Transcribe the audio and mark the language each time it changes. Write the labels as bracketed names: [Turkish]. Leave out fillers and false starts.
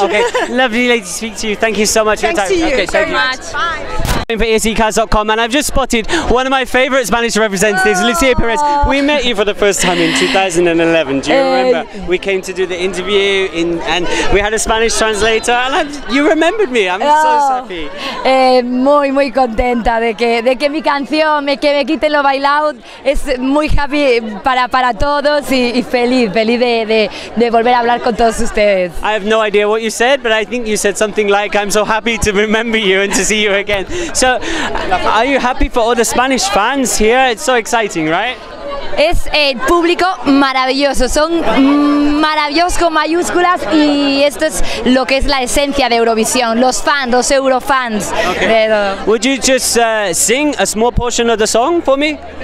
[English] Okay, lovely lady to speak to you. Thank you so much for your time. Thanks to you very much. Bye. I'm for ESCars.com and I've just spotted one of my favourite Spanish representatives, Lucia Perez. We met you for the first time in 2011. Do you remember? We came to do the interview and we had a Spanish translator. You remembered me. I'm so happy. [Spanish] Muy, muy contenta de que mi canción me quite lo bailado. Es muy happy para todos y feliz de volver a hablar con todos ustedes. [English] I have no idea what you said, but I think you said something like, I'm so happy to remember you and to see you again. So, are you happy for all the Spanish fans here? It's so exciting, right? [Spanish] Es el público maravilloso, son maravillosos con mayúsculas y esto es lo que es la esencia de Eurovisión, los fans, los Eurofans. Okay. Pero... [English] Would you just sing a small portion of the song for me?